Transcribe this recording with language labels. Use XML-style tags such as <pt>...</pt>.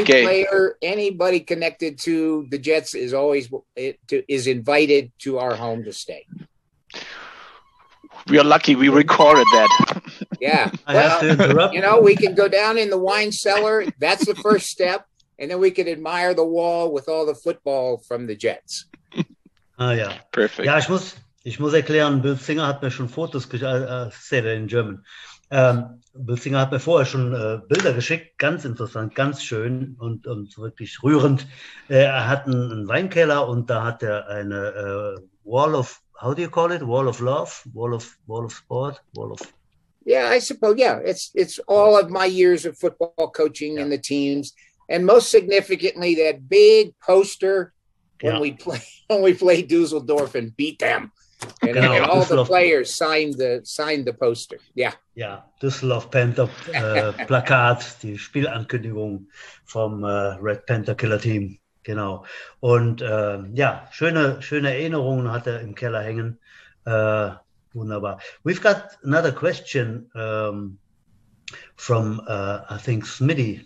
<en>Any player, anybody connected to the Jets is always is invited to our home to stay. We are lucky we recorded that. Yeah. Well, I have to interrupt. You know, we can go down in the wine cellar. That's the first step. And then we can admire the wall with all the football from the Jets.</en> <de>Ah, ja.</de> <en>Perfect.</en> <de>Ja, ich muss erklären, Bill Singer hat mir schon Fotos geschickt.</de> <en>Say that in German.</en> <de>Bill Singer hat mir vorher schon Bilder geschickt. Ganz interessant, ganz schön und wirklich rührend. Er hat einen Weinkeller und da hat er eine</de> <en>Wall of, how do you call it? Wall of love? Wall of sport? Wall of... Yeah, I suppose. Yeah, it's all of my years of football coaching and the teams. And most significantly, that big poster when we play Dusseldorf and beat them. And all the players signed the poster. Yeah.</en> <de>Yeah, Dusseldorf Panther Plakat, die Spielankündigung vom Red Panther Killer Team. Genau. Und schöne Erinnerungen hat er im Keller hängen. Wunderbar.</de> <en>We've got another question from, I think, Smitty.</en>